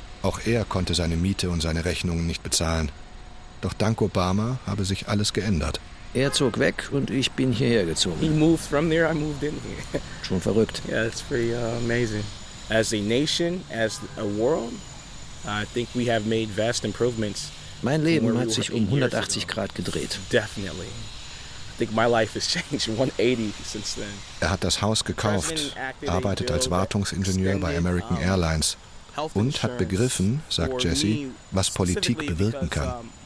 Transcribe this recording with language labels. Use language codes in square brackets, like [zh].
[de] Auch er konnte seine Miete und seine Rechnungen nicht bezahlen. Doch dank Obama habe sich alles geändert. Er zog weg und ich bin hierher gezogen. [en] He moved from there, I moved in here. [de] Schon verrückt. [en] Yeah, it's pretty amazing. As a nation, as a world, I think we have made vast improvements. [de] Mein Leben hat sich um 180 Grad gedreht. [en] Definitely. I think my life has changed 180 since then. [de] Er hat das Haus gekauft, arbeitet als Wartungsingenieur bei American Airlines und hat begriffen, sagt Jesse, was Politik bewirken kann.